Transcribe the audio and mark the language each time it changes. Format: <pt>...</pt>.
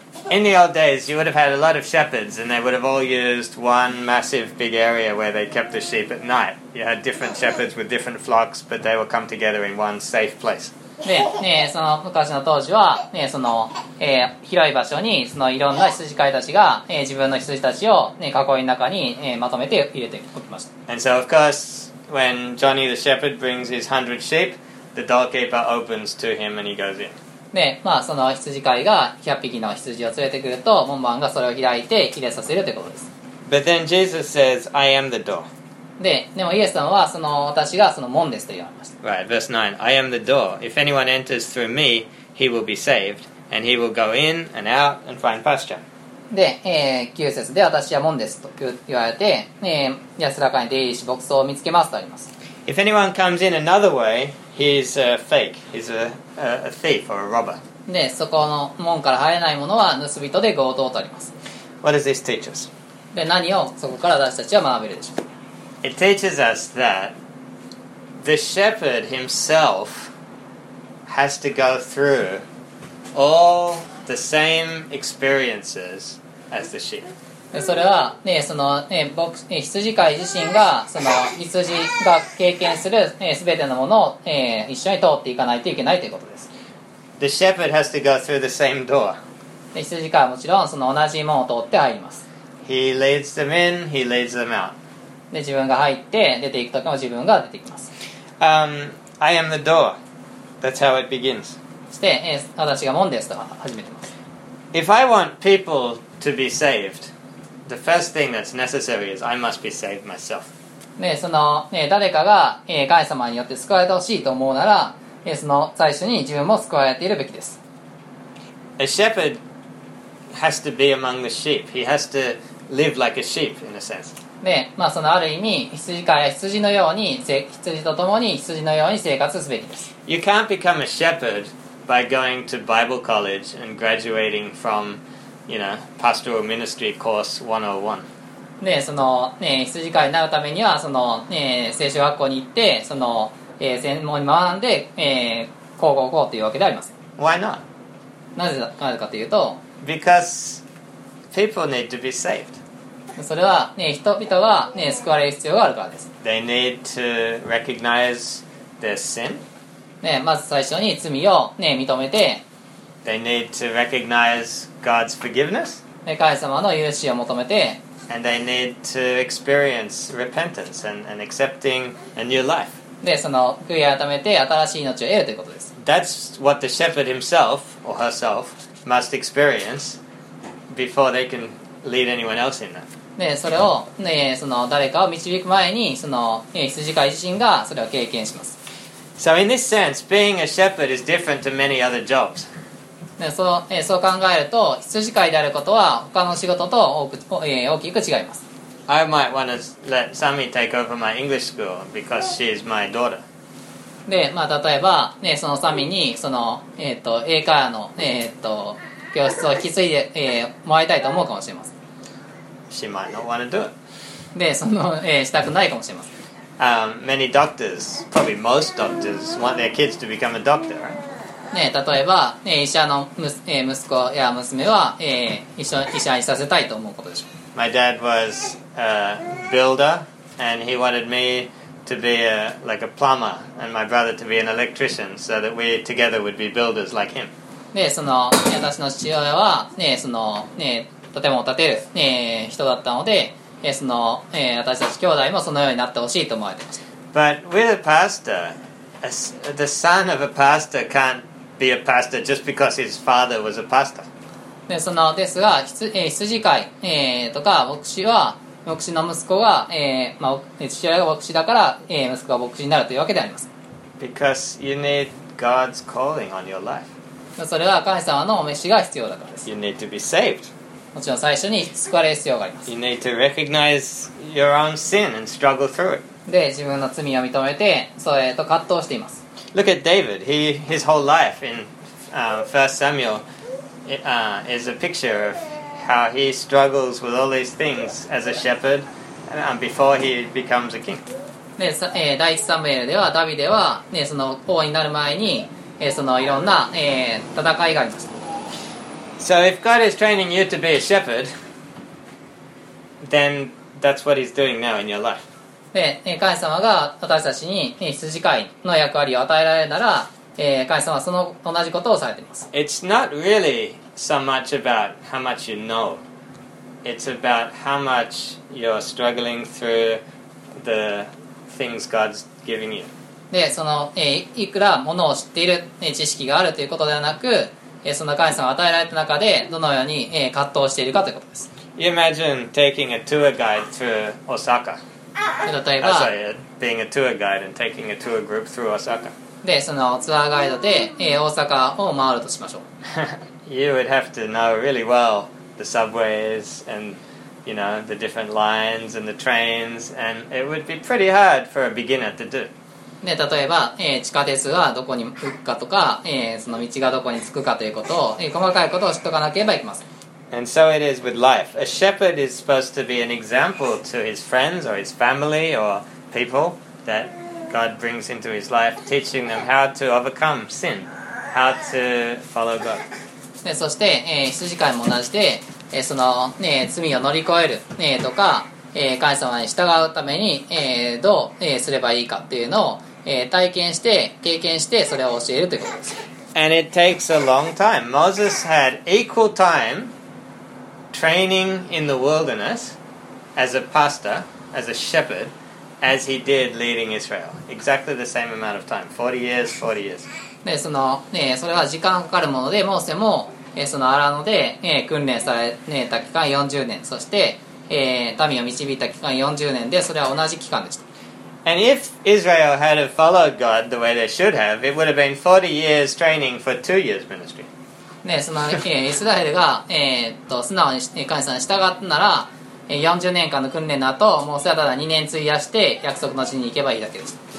<en>In the old days, you would have had a lot of shepherds, and they would have all used one massive big area where they kept the sheep at night. You had different shepherds with different flocks, but they would come together in one safe place.</en> <ja>で、ね、その昔の当時は、ね、その、広い場所にそのいろんな羊飼いたちが、自分の羊たちを、ね、囲いの中に、まとめて入れておきました。</ja> <en>And so of course, when Johnny the shepherd brings his 100 sheep, the doorkeeper opens to him and he goes in.</en> <ja>で、まあ、その羊飼いが100匹の羊を連れてくると、門番がそれを開いて入れさせるということです。</ja> <en>But then Jesus says, I am the door.</en> <ja>で、でもイエス様はその私がその門ですと言われました。</ja> <en>Right, verse 9. I am the door. If anyone enters through me, he will be saved, and he will go in and out and find pasture.</en> <ja>で、9節で私は門ですと言われて、安らかに出入りし牧草を見つけますとあります。</ja> <en>If anyone comes in another way, he's a fake. He's a thief or a robber.</en> <ja>で、そこの門から入れない者は盗人で強盗とあります。</ja> <en>What does this teach us?</en> <ja>で、何をそこから私たちは学べるでしょう。</ja> <en>It teaches us that the shepherd himself has to go through all the same experiences as the sheep.</en> <ja>それは、ね、その、ね、僕、ね、羊飼い自身が、その、羊が経験する、全てのものを、一緒に通っていかないといけないということです。</ja> <en>The shepherd has to go through the same door.</en> <ja>羊飼いはもちろん、その同じ門を通って入ります。</ja> <en>He leads them in, he leads them out.</en> <ja>で、自分が入って出ていくときも自分が出ていきます。</ja> <en>I am the door. That's how it begins.</en> <ja>そして、私が門ですとか始めてます。</ja> <en>If I want people to be saved, the first thing that's necessary is I must be saved myself.</en> <ja>で、その、誰かが、神様によって救われてほしいと思うなら、その最初に自分も救われているべきです。</ja> <en>A shepherd has to be among the sheep. He has to live like a sheep, in a sense.</en> <ja>で、まあ、そのある意味、羊飼いは羊のように、羊と共に羊のように生活すべきです。</ja> <en>You can't become a shepherd by going to Bible college and graduating from, you know, pastoral ministry course 101.</en> <ja>で、その、ね、羊飼いになるためには、その、ね、聖書学校に行って、その、専門に学んで、高校行こうというわけではありません。</ja> <en>Why not?</en> <ja>なぜかというと、</ja> <en>Because people need to be saved.</en> <ja>それは、ね、人々が、ね、救われる必要があるからです。</ja> <en>They need to recognize their sin.、</en> <ja>ね、まず最初に罪を、ね、認めて。</ja> <en>They need to recognize God's forgiveness.</en> <ja>神様の許しを求めて。</ja> <en>And they need to experience repentance and accepting a new life.</en> <ja>で、その悔い改めて新しい命を得るということです。</ja> <en>That's what the shepherd himself or herself must experience before they can lead anyone else in that.</en> <ja>で、それを、ね、その誰かを導く前に、その羊飼い自身がそれを経験します。</ja> <en>So in this sense, being a shepherd is different to many other jobs.</en> <ja>で、そう考えると、羊飼いであることは他の仕事と大きく違います。</ja> <en>I might want to let Sami take over my English school because she is my daughter.</en> <ja>で、まあ、例えば、ね、そのサミにその、英会話の、教室を引き継いで、もらいたいと思うかもしれません。</ja> <en>She might not want to do it.</en> <ja>で、その、したくないかもしれません。</ja> <en>Many doctors, probably most doctors, want their kids to become a doctor.</en> <ja>ね、例えば、医者の 息子や娘は、医者にさせたいと思うことでしょう。</ja> <en>My dad was a builder, and he wanted me to be a plumber, and my brother to be an electrician, so that we together would be builders like him.</en> <ja>で、その、私の父親は、ね、その、ね、建物を建てる、ね、人だったので、その、私たち兄弟もそのようになってほしいと思われています。</ja> <en>But with a pastor, the son of a pastor can't be a pastor just because his father was a pastor.</en> <ja>で、そのですが、羊飼い、とか牧師は牧師の息子が、まあ、父親が牧師だから、息子が牧師になるというわけであります。</ja> <en>Because you need God's calling on your life.</en> <ja>それは神様のお召しが必要だからです。</ja> <en>You need to be saved.</en> <ja>もちろん最初に救われる必要があります。</ja> <en>You need to recognize your own sin and struggle through it.</en> <ja>で、自分の罪を認めてそれと葛藤しています。</ja> <en>Look at David. His whole life in First Samuel. Is a picture of how he struggles with all these things as a shepherd before he becomes a king.</en> <ja>で、第1サムエルではダビデは、ね、その王になる前に、そのいろんな、戦いがありました。</ja> <en>So if God is training you to be a shepherd, then that's what he's doing now in your life.</en> <ja>で、神様が私たちに羊飼いの役割を与えられるなら、神様はその同じことをされています。</ja> <en>It's not really so much about how much you know. It's about how much you're struggling through the things God's giving you.</en> <ja>で、その、いくらものを知っている、知識があるということではなく、その神様が与えられた中でどのように、葛藤しているかということです。</ja> <en>You imagine taking a tour guide through Osaka.</en> <ja>例えば、oh,</ja> <en>sorry, being a tour guide and taking a tour group through Osaka.</en> <ja>で、そのツアーガイドで、大阪を回るとしましょう。</ja> <en>You would have to know really well the subways and, you know, the different lines and the trains, and it would be pretty hard for a beginner to do.</en> <ja>で、例えば、地下鉄がどこに行くかとか、その道がどこに着くかということを、細かいことを知っとかなければいけません。</ja> <en>And so it is with life. A shepherd is supposed to be an example to his friends or his family or people thatGod brings into his life, teaching them how to overcome sin, how to follow God.</en> <ja>で、そして、羊飼いも同じで、その、ね、罪を乗り越える、ね、とか、神様に従うために、どう、すればいいかっていうのを、体験して、経験して、それを教えるということです。</ja> <en>And it takes a long time. Moses had equal time training in the wilderness as a pastor, as a shepherd,as he did leading Israel. Exactly the same amount of time. 40 years.</en> <ja>で、その、ね、それは時間かかるもので、モーセも、そのアラノで、訓練された期間40年、そして、民を導いた期間40年で、それは同じ期間でした。</ja> <en>And if Israel had followed God the way they should have, it would have been 40 years training for 2 years ministry.</en> <ja>ね、その、イスラエルが、素直に神様に従ったなら、40年間の訓練の後、モーセはただ2年費やして約束の地に行けばいいだけです。</ja>